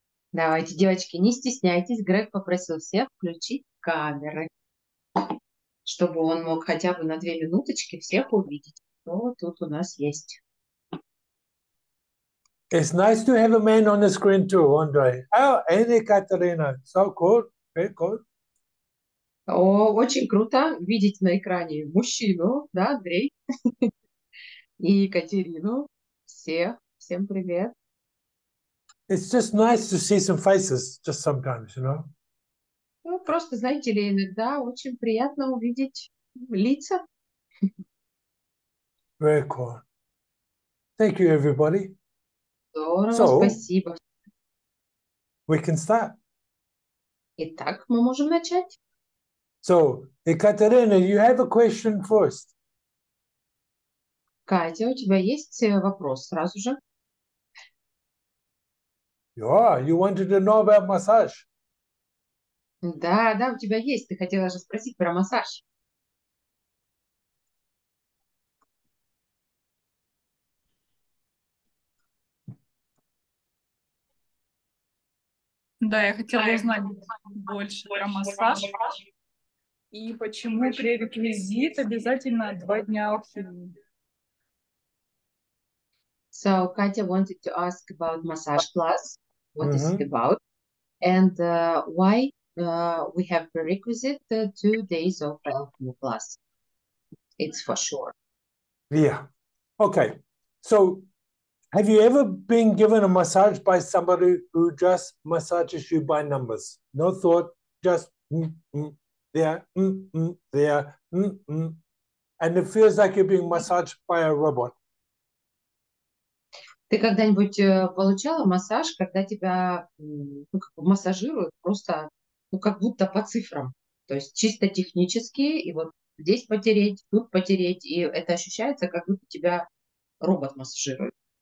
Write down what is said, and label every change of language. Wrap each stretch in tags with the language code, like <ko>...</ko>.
<ru>Давайте, девочки, не стесняйтесь. Грег попросил всех включить камеры, чтобы он мог хотя бы на 2 минуточки всех увидеть, кто тут у нас есть.</ru> <en>It's nice to have a man on the screen too, Andre. Oh, Anna Katharina. So cool. Very cool.</en> <ru>О, очень круто видеть на экране мужчину, да, Андрей? И Екатерину. Всем привет.</ru> <en>It's just nice to see some faces just sometimes, you know.</en> <ru>Ну, просто, знаете ли, иногда очень приятно увидеть лица.</ru> <en>Very cool. Thank you, everybody.</en> <ru>Здорово,</ru> <en>So,</en> <ru>спасибо.</ru> <en>we can start.</en> <ru>Итак, мы можем начать.</ru> <en>So, Екатерина, you have a question first.</en> <ru>Катя, у тебя есть вопрос сразу же?</ru> <en>Yeah, you wanted to know about massage.</en> <ru>Да, у тебя есть. Ты хотела же спросить про массаж. Да, я хотела узнать больше про массаж и почему пререквизит обязательно 2 дня в тюрьме.</ru> <en>So, Katya wanted to ask about massage class. What is it about? And why we have prerequisite 2 days of alchemy class? It's for sure. Yeah. Okay. So have you ever been given a massage by somebody who just massages you by numbers? No thought, just there, there, and it feels like you're being massaged by a robot.</en> <ru>Ты когда-нибудь получала массаж, когда тебя массажируют просто, ну, как будто по цифрам? То есть чисто технически, и вот здесь потереть, тут потереть, и это ощущается, как будто тебя робот массажирует.</ru>